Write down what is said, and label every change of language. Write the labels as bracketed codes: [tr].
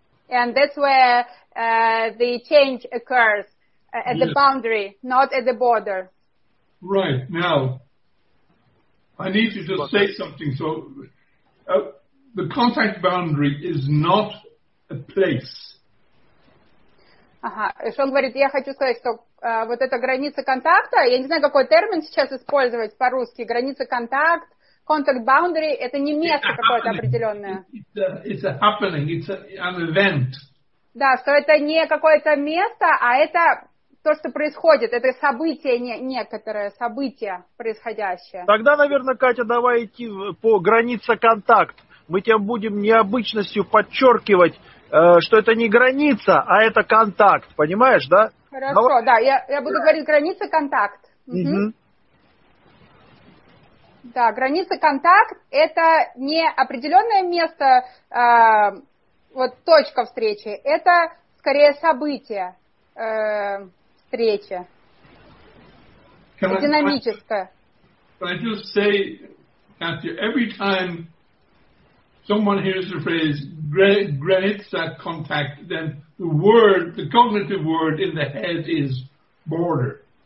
[en] And that's where the change occurs, at the boundary, not at the border. Right. Now, I need to just say something. So the contact boundary is not a place. [ru] Что он говорит, я хочу сказать, что вот эта граница контакта, я не знаю, какой термин сейчас использовать по-русски, граница контакт, contact boundary, это не место какое-то определенное. [en] It's a happening, it's an event. [ru] Да, что это не какое-то место, а это то, что происходит, это событие, некоторое событие происходящее. Тогда, наверное, Катя, давай идти по границе контакт. Мы тебя будем необычностью подчеркивать, что это не граница, а это контакт, понимаешь, да? Хорошо, давай. Да, я буду говорить граница контакт. Угу. Да, граница контакт – это не определенное место, вот точка встречи, это скорее событие встречи, динамическое. [en] Can I just say, Katya, every time someone hears the phrase granitsa contact, then the word, the cognitive word in the head is border.